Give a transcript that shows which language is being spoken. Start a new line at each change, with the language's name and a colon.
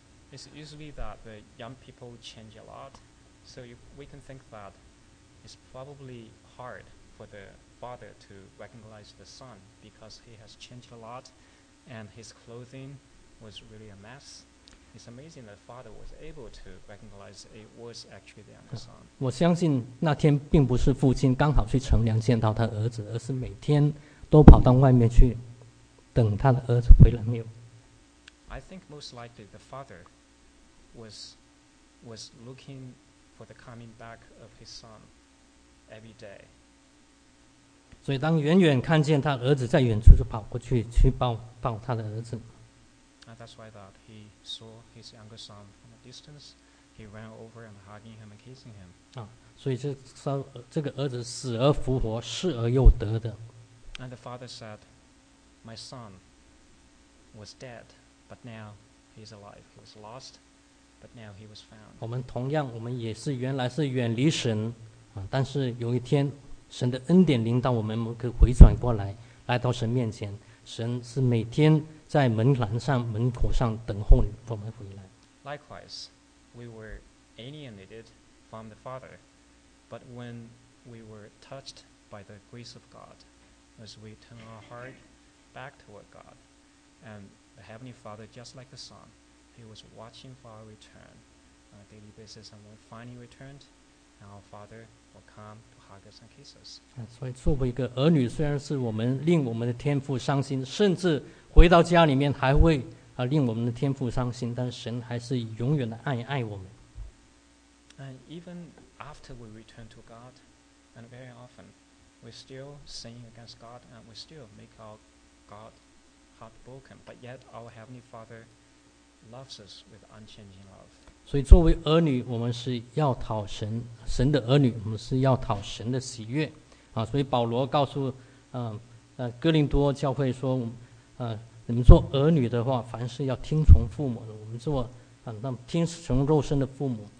English: It's usually that the young people change a lot, so we can think that it's probably hard for the father to recognize the son because he has changed a lot, and his clothing. Was really a mess. It's amazing that father was able to recognize it was actually the younger son.
Chinese: 我相信那天并不是父亲刚好去乘凉见到他儿子，而是每天都跑到外面去等他的儿子回来没有。
English: I think most likely the father was looking for the coming back of his son every day.
Chinese: 所以当远远看见他儿子在远处，就跑过去去抱他的儿子。
English: That's why that he saw his younger son from a distance. He ran over and hugging him and kissing him.
Chinese: 啊，所以这个儿子死而复活，失而又得的。
English: And the father said, "My son was dead, but now he's alive. He was lost, but now he was found."
Chinese: 我们同样，我们也是原来是远离神啊，但是有一天神的恩典临到我们可以回转过来，来到神面前。神是每天。在门栏上、门口上等候我们回来。
English: Likewise, we were alienated from the Father, but when we were touched by the grace of God, as we turn our heart back toward God, and the Heavenly Father, just like the Son, He was watching for our return on a daily basis, and when we finally returned, our Father will come to hug us and kiss us.
Chinese: 所以，作为一个儿女，虽然是我们令我们的天父伤心，甚至。回到家里面还会啊令我们的天父伤心，但是神还是永远的爱我们。
English: And even after we return to God, and very often we still sin against God and we still make our God heart broken, but yet our Heavenly Father loves us with unchanging love.
Chinese: 所以作为儿女，我们是要讨神的儿女，我们是要讨神的喜悦啊。所以保罗告诉哥林多教会说。你们做儿女的话，凡事要听从父母的。我们做，那听从肉身的父母，